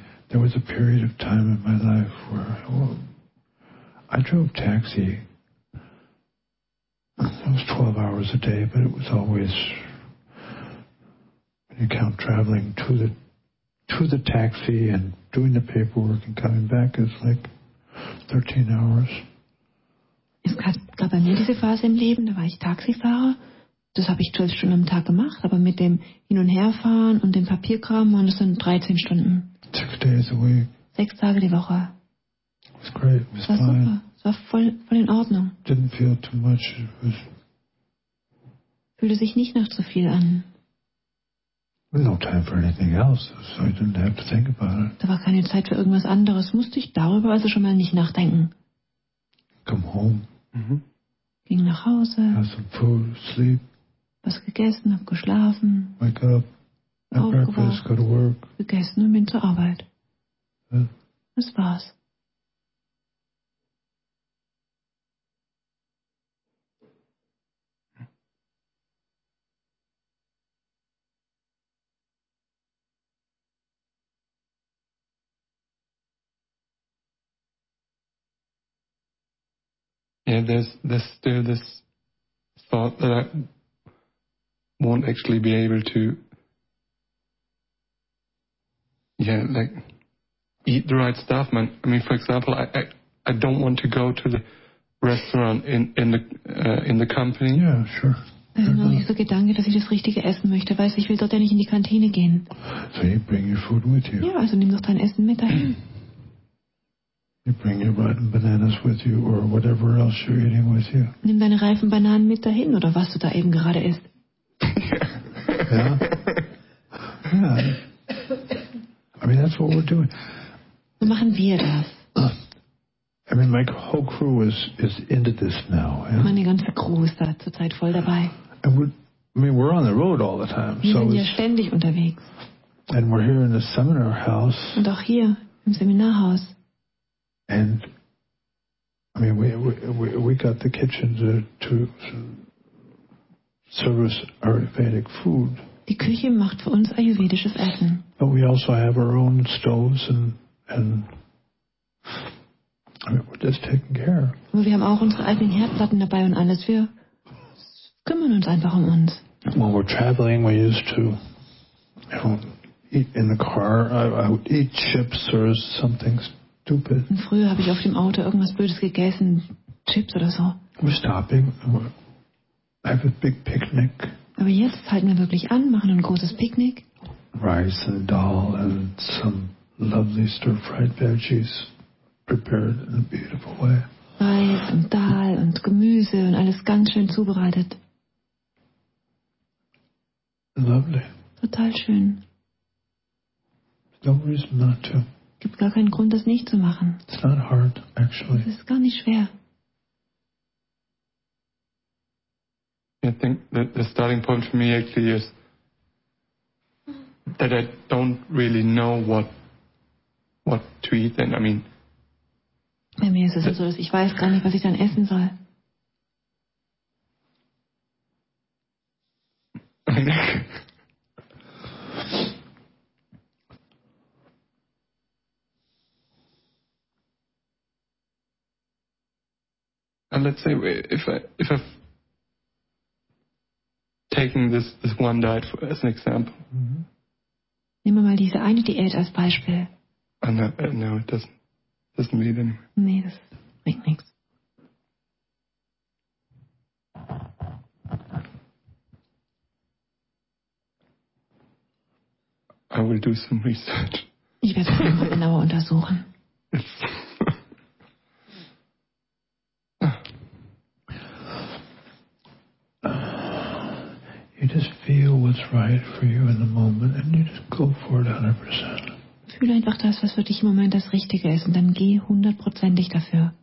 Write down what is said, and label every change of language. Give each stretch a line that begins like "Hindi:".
English: There was a period of time in my life where I drove taxi. It was 12 hours a day, but it was always, when you count traveling to the taxi and doing the paperwork and coming back, it's like 13 hours.
German: Es gab bei mir diese Phase im Leben, da war ich Taxifahrer. Das habe ich 12 Stunden am Tag gemacht, aber mit dem Hin- und Herfahren und dem Papierkram waren es dann 13 Stunden.
English: 6 days a week.
German: 6 Tage die Woche.
English: It was great, it was fine.
German: Super. War voll in Ordnung.
English: Didn't feel too much. It was
German: fühlte sich nicht nach zu viel an.
English: No time for anything else, so I didn't have to think about it.
German: Da war keine Zeit für irgendwas anderes. Musste ich darüber also schon mal nicht nachdenken.
English: Come home. Mm-hmm.
German: Ging nach Hause.
English: Had some food, sleep.
German: Was gegessen, hab geschlafen.
English: Wake up. Breakfast, go to work.
German: Gegessen und bin zur Arbeit.
English: Yeah.
German: Das war's.
English: there's still this thought that I won't actually be able to eat the right stuff, man. I mean, for example, I don't want to go to the restaurant in the company. Yeah, sure.
German: Nur dieser Gedanke, dass ich das richtige Essen möchte, weiß ich will dort ja nicht in die Kantine gehen.
English: So you bring your food with you.
German: Ja, also nimm doch dein Essen mit dahin.
English: You bring your rotten bananas with you or whatever else you're eating with you.
German: Nimm deine reifen Bananen mit dahin oder was du da eben gerade isst.
English: Yeah. I mean that's what we're doing.
German: So machen wir das.
English: I mean, my whole crew is into this now. Yeah?
German: Meine ganze Crew ist da zurzeit voll dabei.
English: We're on the road all the time.
German: Wir sind so ja ständig unterwegs.
English: And we're here in the seminar house.
German: Und auch hier im Seminarhaus.
English: And I mean, we got the kitchen to service Ayurvedic food.
German: Die Küche macht für uns ayurvedisches Essen.
English: But we also have our own stoves and. I mean, we're just taking care.
German: Wir haben auch unsere eigenen Herdplatten dabei und alles. Wir kümmern uns einfach um uns.
English: When we're traveling, we used to eat in the car. I would eat chips or something stupid.
German: Und früher habe ich auf dem Auto irgendwas Blödes gegessen, Chips oder so.
English: We're stopping. I have a big picnic.
German: Aber jetzt halten wir wirklich an, machen ein großes Picknick.
English: Rice and dal and some lovely stir-fried veggies. Prepared in a beautiful way.
German: Reis und Dahl und Gemüse und alles ganz schön zubereitet.
English: Lovely.
German: Total schön.
English: No reason not to.
German: Gibt gar keinen Grund, das nicht zu machen.
English: It's not hard, actually.
German: Es ist gar nicht schwer.
English: I think that the starting point for me actually is that I don't really know what to eat. And I mean,
German: bei mir ist es so, dass ich weiß gar nicht, was ich dann essen soll.
English: And let's say if I've taken this one diet as an example. Mm-hmm.
German: Nehmen wir mal diese eine Diät als Beispiel.
English: No, it doesn't. Doesn't mean anything.
German: Nee, das bringt nichts.
English: I will do some research.
German: Ich werde es mal genauer untersuchen.
English: You just feel what's right for you in the moment and you just go for it 100%.
German: Fühl einfach das, was für dich im Moment das Richtige ist, und dann geh hundertprozentig dafür.